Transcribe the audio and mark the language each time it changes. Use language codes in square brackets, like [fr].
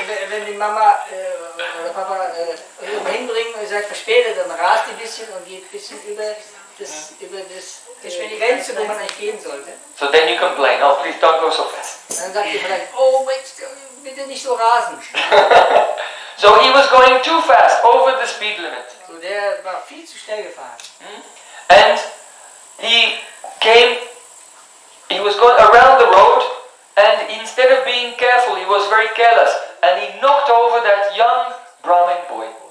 [de] Wenn die Mama oder Papa irgendwo hinbringen und sagt verspätet, dann rast die ein bisschen und geht ein bisschen über das Geschwindigkeitsgrenze, wo man eigentlich gehen sollte. [en] So then you complain, oh please don't go so fast. [de] Dann sagt die vielleicht, [en] oh wait, [de] bitte nicht so rasen. [en] So he was going too fast over the speed limit. [de] So der war viel zu schnell gefahren. [en] And he was going around the road, and instead of being careful, he was very careless, and he knocked over that young Brahmin boy.